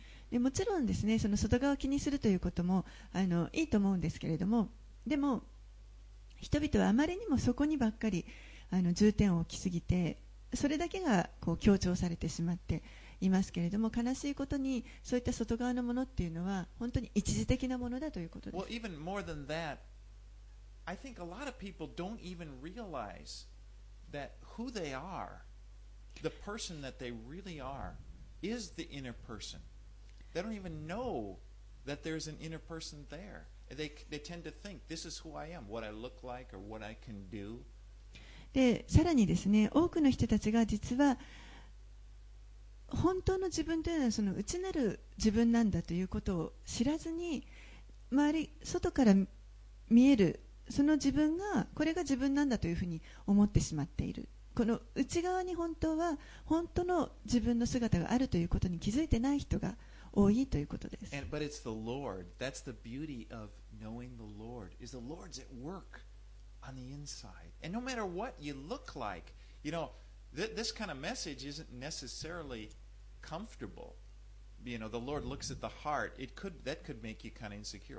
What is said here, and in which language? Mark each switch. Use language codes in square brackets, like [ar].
[ja] でもちろんですね、その外側を気にするということもいいと思うんですけれども、でも人々はあまりにもそこにばっかり重点を置きすぎて、それだけがこう強調されてしまっていますけれども、悲しいことにそういった外側のものっていうのは本当に一時的なものだということです。 [en] Well, even more than that, I think a lot of people don't even realize that who they are, the person that they really are, is the inner person. They don't even know that there's an inner person there. They tend to think this is who I am, what I look like or what I can do. [ja] で、さらにですね、多くの人たちが実は本当の自分というのはその内なる自分なんだということを知らずに、周り外から見えるその自分がこれが自分なんだというふうに思ってしまっている。この内側に本当は本当の自分の姿があるということに気づいてない人が多いということです。 [en] But it's the Lord. That's the beauty of knowing the Lord. Is the Lord's at work on the inside. And no matter what you look like, you know, this kind of message isn't necessarily comfortable. You know, the Lord looks at the heart. That could make you kind of insecure.